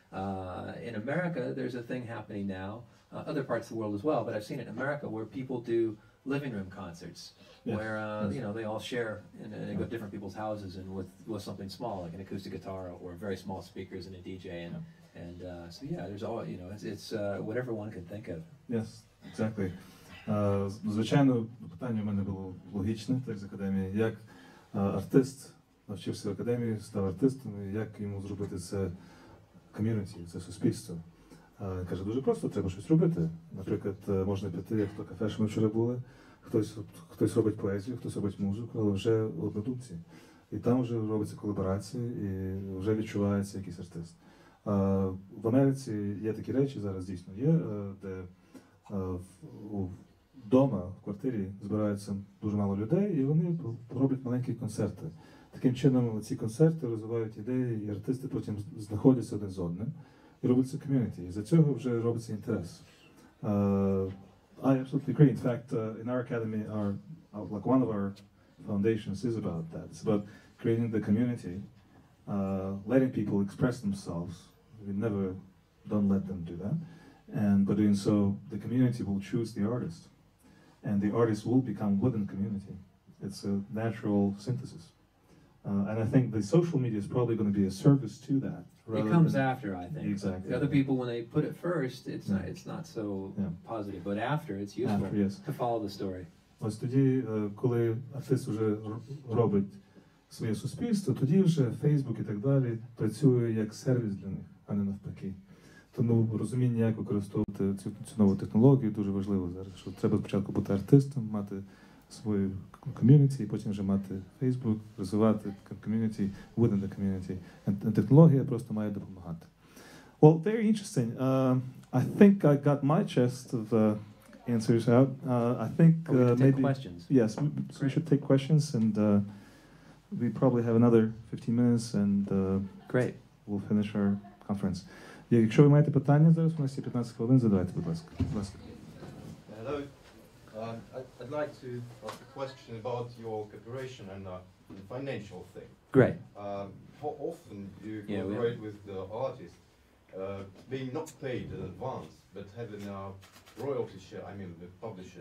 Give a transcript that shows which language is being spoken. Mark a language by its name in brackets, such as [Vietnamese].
[English] In America, there's a thing happening now, other parts of the world as well, but I've seen it in America where people do living room concerts, yes. where they all share and go to different people's houses and with something small, like an acoustic guitar or very small speakers and a DJ, there's all whatever one can think of. Yes, exactly. [Ukrainian] Звичайно, питання в мене було логічне, так, з академії. Як артист навчився в академії, став артистом, і як йому зробити це ком'юніті, це суспільство? Каже, дуже просто, треба щось робити. Наприклад, можна піти, як то кафе, що ми вчора були, хтось робить поезію, хтось робить музику, але вже однодумці. І там вже робиться колаборація, і вже відчувається якийсь артист. В Америці є такі речі зараз дійсно є, де вдома, в квартирі збираються дуже мало людей, і вони роблять маленькі концерти. Таким чином ці концерти розвивають ідеї, і артисти потім знаходяться один з одним, і робиться ком'юніті. І за цього вже робиться інтерес. [English] I absolutely agree. In fact, in our academy, like one of our foundations is about that. It's about creating the community, letting people express themselves. We never don't let them do that. And by doing so, the community will choose the artist. And the artist will become within the community. It's a natural synthesis. And I think the social media is probably going to be a service to that. It comes after, I think. Exactly. The other people, when they put it first, it's not so positive. But after, it's useful after, yes. To follow the story. [Ukrainian] Ось тоді, коли артист вже робить своє суспільство, тоді вже Facebook і так далі працює як сервіс для них, а не навпаки. Тому розуміння, як використовувати цю нову технологію, дуже важливо зараз. Що треба спочатку бути артистом, мати свою ком'юніті, і потім вже мати Facebook, розвивати ком'юніті, [English] within the community. And [Ukrainian] технологія просто має допомагати. [English] Well, very interesting. I think I got my chest of answers out. I think maybe questions. Yes, we should take questions, and we probably have another 15 minutes, and great. We'll finish our conference. [Ukrainian] Якщо ви маєте питання зараз, у нас є 15 хвилин, задавайте, будь ласка. [English] Hello. I'd like to ask a question about your cooperation and the financial thing. Great. How often do you cooperate with the artist, being not paid in advance, but having a royalty share, I mean the publisher.